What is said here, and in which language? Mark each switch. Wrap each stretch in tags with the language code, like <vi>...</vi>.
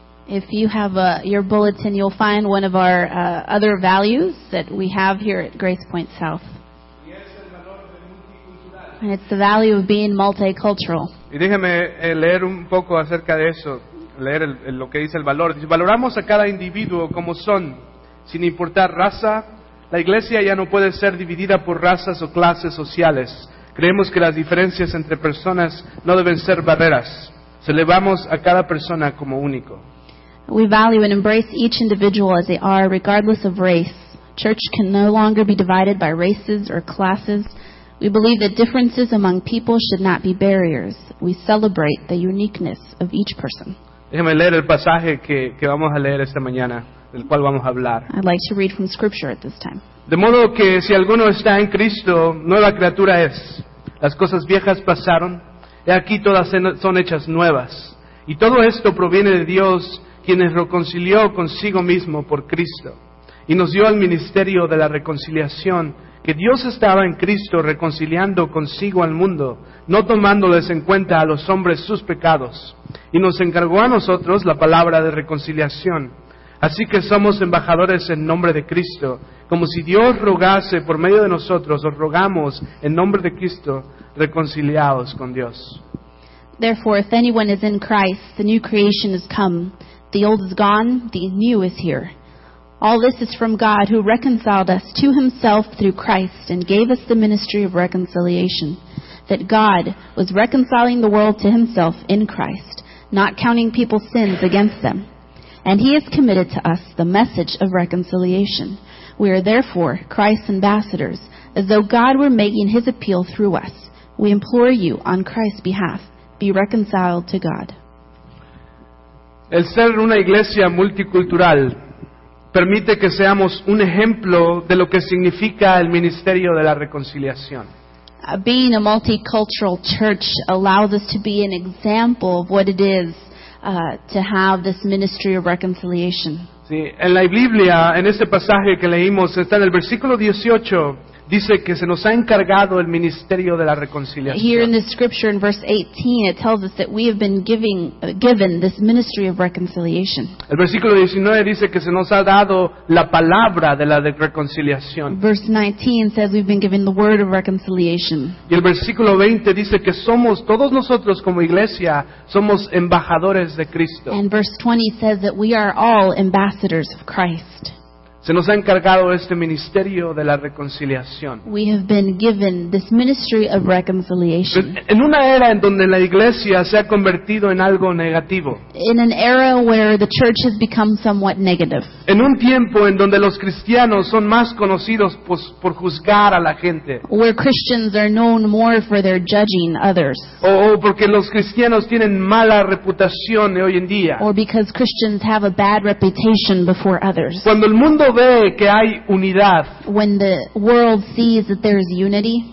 <en>If you have your bulletin, you'll find one of our other values that we have here at Grace Point South. And it's the value of being multicultural.</en> <es>Y déjeme leer un poco acerca de eso, leer lo que dice el valor. Dice, valoramos a cada individuo como son, sin importar raza. La iglesia ya no puede ser dividida por razas o clases sociales. Creemos que las diferencias entre personas no deben ser barreras. Celebramos a cada persona como único.</es> <en>We value and embrace each individual as they are, regardless of race. Church can no longer be divided by races or classes. We believe that differences among people should not be barriers. We celebrate the uniqueness of each person.</en> <es>Déjeme leer el pasaje que vamos a leer esta mañana, del cual vamos a hablar.</es> <en>I'd like to read from Scripture at this time.</en> <es>De modo que si alguno está en Cristo, nueva criatura es. Las cosas viejas pasaron, y aquí todas son hechas nuevas. Y todo esto proviene de Dios, quienes reconcilió consigo mismo por Cristo, y nos dio el ministerio de la reconciliación, que Dios estaba en Cristo reconciliando consigo al mundo, no tomándoles en cuenta a los hombres sus pecados, y nos encargó a nosotros la palabra de reconciliación. Así que somos embajadores en nombre de Cristo, como si Dios rogase por medio de nosotros, os rogamos en nombre de Cristo, reconciliados con Dios.</es> <en>Therefore, if anyone is in Christ, the new creation has come. The old is gone, the new is here. All this is from God who reconciled us to himself through Christ and gave us the ministry of reconciliation, that God was reconciling the world to himself in Christ, not counting people's sins against them. And he has committed to us the message of reconciliation. We are therefore Christ's ambassadors, as though God were making his appeal through us. We implore you on Christ's behalf, be reconciled to God.</en> <es>El ser una iglesia multicultural permite que seamos un ejemplo de lo que significa el ministerio de la reconciliación.</es> <en>Being a multicultural church allows us to be an example of what it is to have this ministry of reconciliation.</en> <es>Sí, en la Biblia, en este pasaje que leímos, está en el versículo 18, dice que se nos ha encargado el ministerio de la reconciliación.</es> <en>Here in the scripture in verse 18, it tells us that we have been given this ministry of reconciliation.</en> <es>El versículo 19 dice que se nos ha dado la palabra de la reconciliación.</es> <en>Verse 19 says we've been given the word of reconciliation.</en> <es>Y el versículo 20 dice que somos, todos nosotros como iglesia, somos embajadores de Cristo.</es> <en>And verse 20 says that we are all ambassadors of Christ.</en> <es>Se nos ha encargado este ministerio de la reconciliación.</es> <en>We have been given this ministry of reconciliation.</en> <es>En una era en donde la iglesia se ha convertido en algo negativo.</es> <en>In an era where the church has become somewhat negative.</en> <es>En un tiempo en donde los cristianos son más conocidos por juzgar a la gente.</es> <en>Where Christians are known more for their judging others.</en> <es>O porque los cristianos tienen mala reputación hoy en día.</es> <en>Or because Christians have a bad reputation before others.</en> <es>Cuando el mundo ve que hay unidad.</es> <en>When the world sees that there is unity,</en>